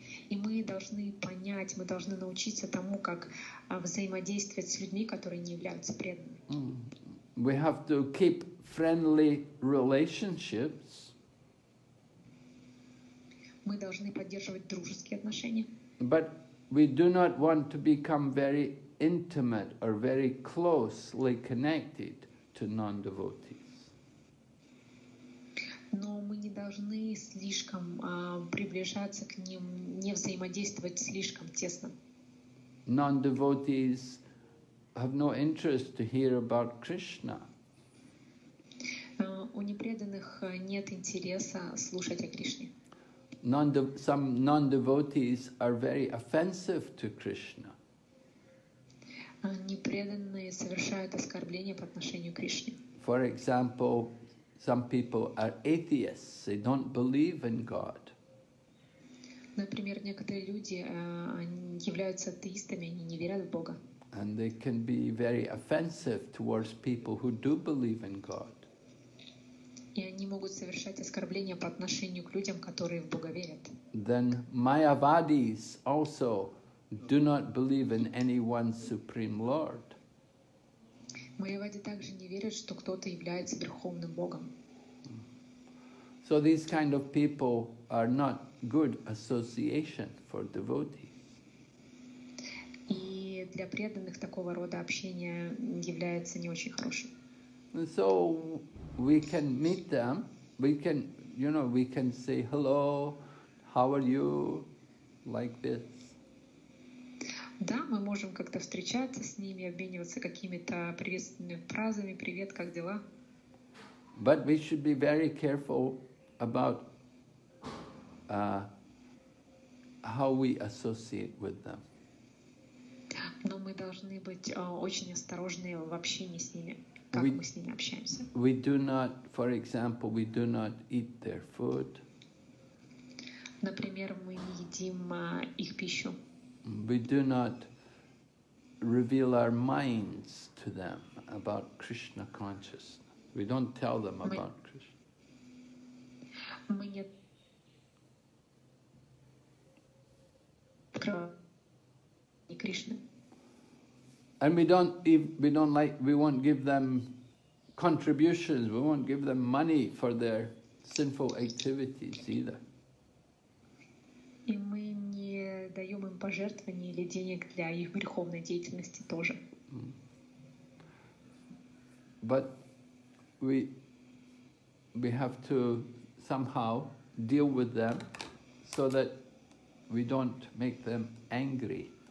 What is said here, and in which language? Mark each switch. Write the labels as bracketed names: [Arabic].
[Russian] И мы должны понять, мы должны научиться тому, как взаимодействовать с людьми, которые не являются преданными. [English] Mm. We have to keep friendly relationships. [Russian] Мы должны поддерживать дружеские отношения. [English] But we do not want to become very intimate or very closely connected to non-devotees. [Russian] Но мы не должны слишком приближаться к ним, не взаимодействовать слишком тесно. [English] Non-devotees have no interest to hear about Krishna. [Russian] У непреданных нет интереса слушать о Кришне. [English] Some non-devotees are very offensive to Krishna. [Russian] Непреданные совершают оскорбления по отношению к Кришне. [English] For example, some people are atheists. They don't believe in God. [Russian] Например, некоторые люди являются атеистами, они не верят в Бога. [English] And they can be very offensive towards people who do believe in God. [Russian] И они могут совершать оскорбления по отношению к людям, которые в Бога верят. [English] Then Mayavadis also do not believe in any one supreme lord. [Russian] Майявади также не верят, что кто-то является верховным богом. [English] So these kind of people are not good association for devotees. [Russian] И для преданных такого рода общение является не очень хорошим. [English] So we can meet them, we can, you know, we can say hello, how are you, like this. [Russian] Да, мы можем как-то встречаться с ними, обмениваться какими-то приветственными фразами. Привет, как дела? [English] But we should be very careful about how we associate with them. [Russian] Но мы должны быть очень осторожны в общении с ними, как мы с ними общаемся. [English] We do not, for example, we do not eat their food. [Russian] Например, мы не едим их пищу. [English] We do not reveal our minds to them about Krishna consciousness. We don't tell them about Krishna. [Russian] Мы не Кришны. [English] And we won't give them contributions, we won't give them money for their sinful activities either. [Russian] И мы не даем им пожертвований или денег для их греховной деятельности тоже. [English] But we have to somehow deal with them so that we don't make them angry.